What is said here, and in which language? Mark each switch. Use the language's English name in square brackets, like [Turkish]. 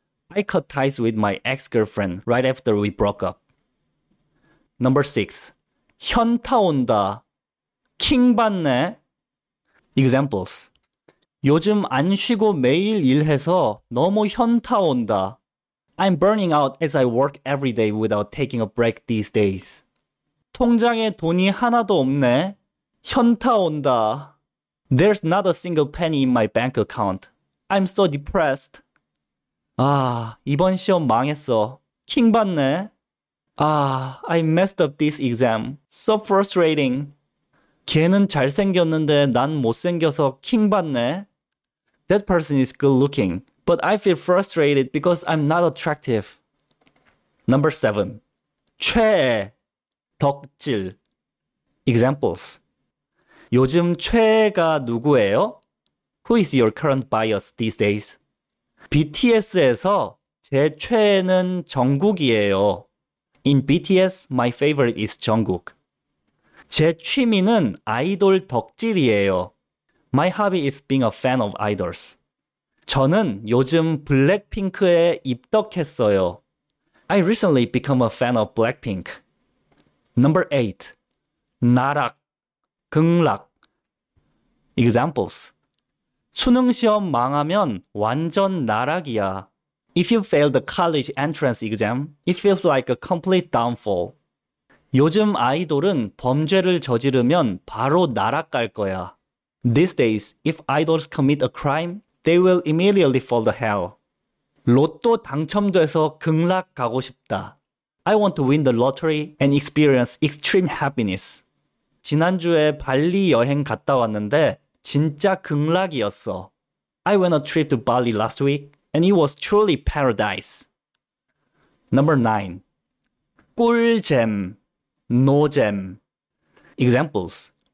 [English] I cut ties with my ex-girlfriend right after we broke up. Number 6. [Korean] 현타 온다. 킹 받네. Examples. 요즘 안 쉬고 매일 일해서 너무 현타 온다. [English] I'm burning out as I work every day without taking a break these days. [Korean] 통장에 돈이 하나도 없네. 현타 온다. [English] There's not a single penny in my bank account. I'm so depressed. [Korean] 아, 이번 시험 망했어. 킹 받네. [English] 아, I messed up this exam. So frustrating. [Korean] 걔는 잘생겼는데 난 못생겨서 킹 받네. [English] That person is good looking, but I feel frustrated because I'm not attractive. Number 7. 최애, 덕질. Examples. [Korean] 요즘 최애가 누구예요? [English] Who is your current bias these days? [Korean] BTS에서 제 최애는 정국이에요. [English] In BTS, my favorite is Jungkook. [Korean] 제 취미는 아이돌 덕질이에요. [English] My hobby is being a fan of idols. [Korean] 저는 요즘 블랙핑크에 입덕했어요. [English] I recently become a fan of Blackpink. Number 8. [Korean] 나락, 극락. Examples. 수능시험 망하면 완전 나락이야. [English] If you fail the college entrance exam, it feels like a complete downfall. [Korean] 요즘 아이돌은 범죄를 저지르면 바로 나락 갈 거야. [English] These days, if idols commit a crime, they will immediately fall to hell. [Korean] 로또 당첨돼서 극락 가고 싶다. [English] I want to win the lottery and experience extreme happiness. [Korean] 지난주에 발리 여행 갔다 왔는데 진짜 극락이었어. [English] I went on a trip to Bali last week, and it was truly paradise. Number 9. [Korean] 꿀잼, 노잼. Examples.